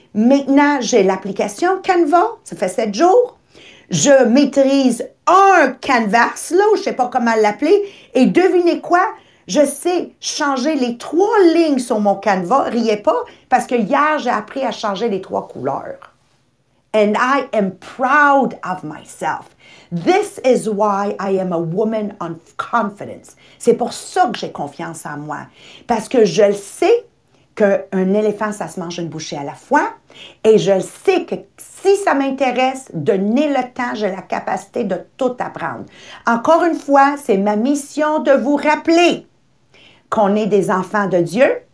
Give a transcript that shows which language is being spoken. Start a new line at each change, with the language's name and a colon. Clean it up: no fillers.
French: Maintenant, j'ai l'application Canva, ça fait 7 jours. Je maîtrise un canvas, là, je ne sais pas comment l'appeler. Et devinez quoi? Je sais changer les trois lignes sur mon Canva. Riez pas, parce que hier, j'ai appris à changer les trois couleurs.
English: And I am proud of myself. This is why I am a woman of confidence.
French: C'est pour ça que j'ai confiance en moi. Parce que je le sais. Qu'un éléphant, ça se mange une bouchée à la fois. Et je sais que si ça m'intéresse, donner le temps, j'ai la capacité de tout apprendre. Encore une fois, c'est ma mission de vous rappeler qu'on est des enfants de Dieu.